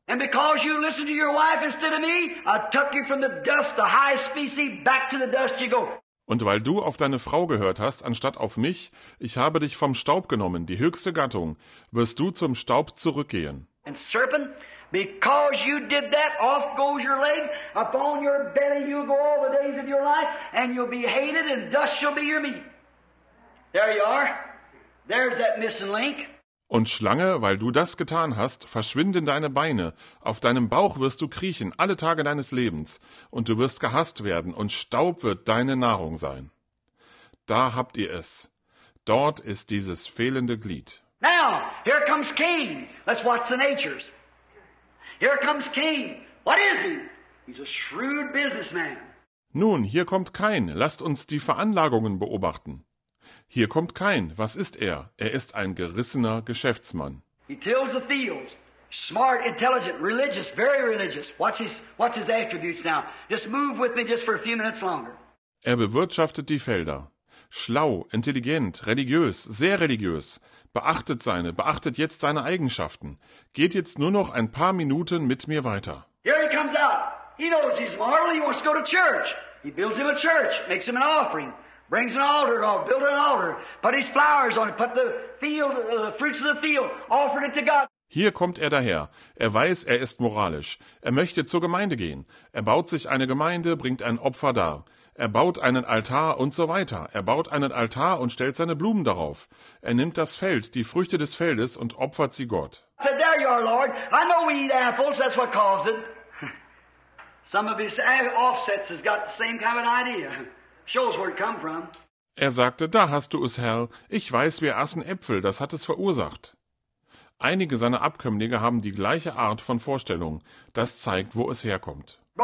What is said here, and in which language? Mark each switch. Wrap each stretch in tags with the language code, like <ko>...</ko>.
<en>And because you listened to your wife instead of me, I took you from the dust, the high species, back to the dust you go.</en> <de>Und weil du auf deine Frau gehört hast, anstatt auf mich, ich habe dich vom Staub genommen, die höchste Gattung, wirst du zum Staub zurückgehen.</de> <en>And serpent, because you did that, off goes your leg, upon your belly you go all the days of your life, and you'll be hated, and dust shall be your meat. There you are. There's that missing link.</en> <de>Und Schlange, weil du das getan hast, verschwinden deine Beine, auf deinem Bauch wirst du kriechen, alle Tage deines Lebens, und du wirst gehasst werden, und Staub wird deine Nahrung sein. Da habt ihr es. Dort ist dieses fehlende Glied.</de> <en>Now, here comes Cain. Let's watch the natures. Here comes Cain. What is he? He's a shrewd businessman.</en> <de>Nun, hier kommt Cain. Lasst uns die Veranlagungen beobachten. Hier kommt Cain. Was ist er? Er ist ein gerissener Geschäftsmann.</de> <en>He tills the fields. Smart, intelligent, religious, very religious. Watch his attributes now. Just move with me just for a few minutes longer.</en> <de>Er bewirtschaftet die Felder. Schlau, intelligent, religiös, sehr religiös. Beachtet jetzt seine Eigenschaften. Geht jetzt nur noch ein paar Minuten mit mir weiter.</de> <en>Here he comes out. He knows he's moral. He wants to go to church. He builds him a church, makes him an offering. Brings an altar, build an altar, put his flowers on it, put the field, the fruits of the field, offered it to God.</en> <de>Hier kommt er daher. Er weiß, er ist moralisch. Er möchte zur Gemeinde gehen. Er baut sich eine Gemeinde, bringt ein Opfer dar. Er baut einen Altar und so weiter. Er baut einen Altar und stellt seine Blumen darauf. Er nimmt das Feld, die Früchte des Feldes und opfert sie Gott.</de> <en>I said, there you are, Lord. I know we eat apples, that's what caused it. Some of his offsets has got the same kind of an idea. Shows where it come from.</en> <de>Er sagte, da hast du es, Herr. Ich weiß, wir aßen Äpfel, das hat es verursacht. Einige seiner Abkömmlinge haben die gleiche Art von Vorstellung. Das zeigt, wo es herkommt.</de>